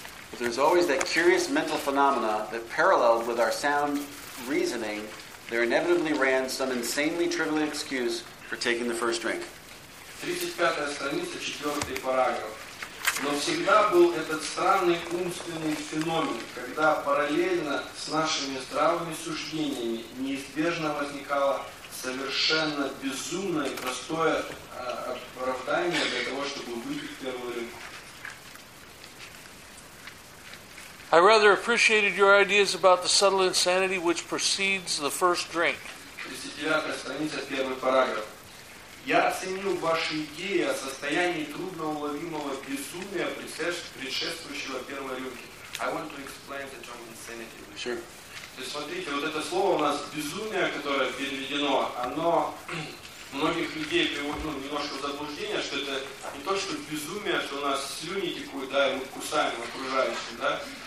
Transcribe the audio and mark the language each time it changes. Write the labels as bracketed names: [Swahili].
[English] But there's always that curious mental phenomena that paralleled with our sound reasoning, there inevitably ran some insanely trivial excuse for taking the first drink. [Russian] 35 страница, 4 параграф. Но всегда был этот странный умственный феномен, когда параллельно с нашими здравыми суждениями неизбежно возникало совершенно безумное и простое оправдание для того, чтобы выпить первую рыбу. [English] I rather appreciated your ideas about the subtle insanity which precedes the first drink. [Russian] 39 страница, первый параграф. Я оценил ваши идеи о состоянии трудноуловимого безумия, предшествующего первой рюмке. [English] I want to explain the term insanity. Sure. [Russian] То есть смотрите, вот это слово у нас безумие, которое переведено, оно многих людей приводит немножко в заблуждение, что это не то, что безумие, что у нас слюни текут, да, и мы кусаем окружающим, да.